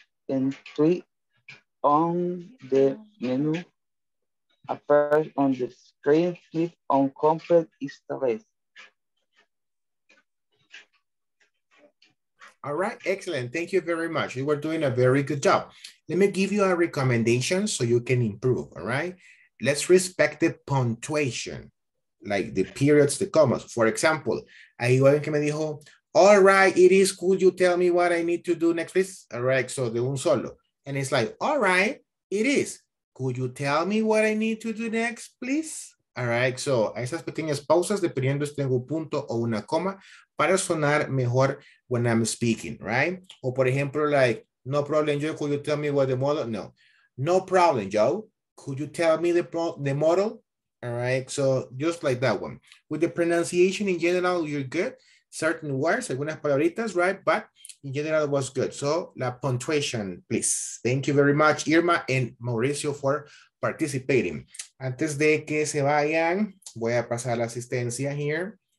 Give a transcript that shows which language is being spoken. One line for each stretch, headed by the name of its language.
English: And click on the menu appears on the screen, click on complete installation. All right, excellent. Thank you very much. You were doing a very good job. Let me give you a recommendation so you can improve, all right? Let's respect the punctuation, like the periods, the commas. For example,
Spanish: ahí alguien que me dijo,
English: all right, it is. Could you tell me what I need to do next, please? All right, so
Spanish: de un solo.
English: And it's like, all right, it is. Could you tell me what I need to do next, please? All right, so
Spanish: esas pequeñas pausas, dependiendo si tengo un punto o una coma, para sonar mejor
English: when I'm speaking, right?
Spanish: O por ejemplo,
English: like, no problem, Joe. Could you tell me what the model? No. No problem, Joe. Could you tell me the model? All right, so just like that one. With the pronunciation in general, you're good. Certain words,
Spanish: algunas palabritas,
English: right? But in general, it was good. So, la punctuation, please. Thank you very much, Irma and Mauricio, for participating.
Spanish: Antes de que se vayan, voy a pasar la asistencia here.